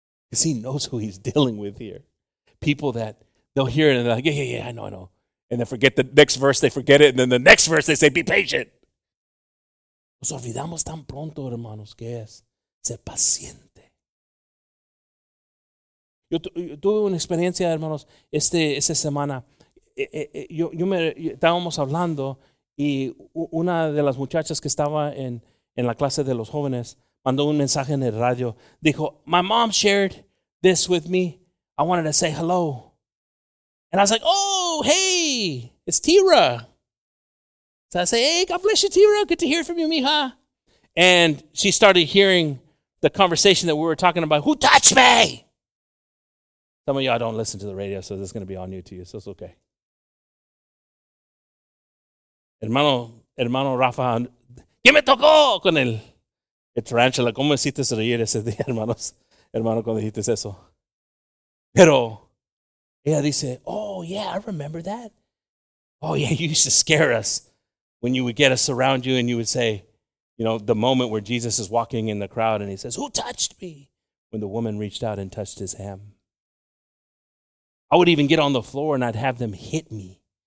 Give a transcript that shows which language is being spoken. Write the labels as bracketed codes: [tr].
[en] Because he knows who he's dealing with here. People that they'll hear it and they're like, yeah, I know. And then forget the next verse, they forget it. And then the next verse, they say, be patient. [es] Nos olvidamos tan pronto, hermanos, que es ser paciente. Yo tuve una experiencia, hermanos, esta semana. Estábamos hablando y una de las muchachas que estaba en la clase de los jóvenes mandó un mensaje en el radio. Dijo, [en] my mom shared this with me. I wanted to say hello. And I was like, oh, hey, it's Tira. So I say, hey, God bless you, Tira. Good to hear from you, mija. And she started hearing the conversation that we were talking about. Who touched me? Some of y'all don't listen to the radio, so this is going to be all new to you. So it's okay. [es] Hermano Rafa, ¿qué me tocó con el tarantula? ¿Cómo hiciste reír ese día, hermanos? Hermano, cuando dijiste eso. Pero ella dice, [en] oh, yeah, I remember that. Oh, yeah, you used to scare us when you would get us around you and you would say, you know, the moment where Jesus is walking in the crowd and he says, who touched me? When the woman reached out and touched his hem. I would even get on the floor and I'd have them hit me.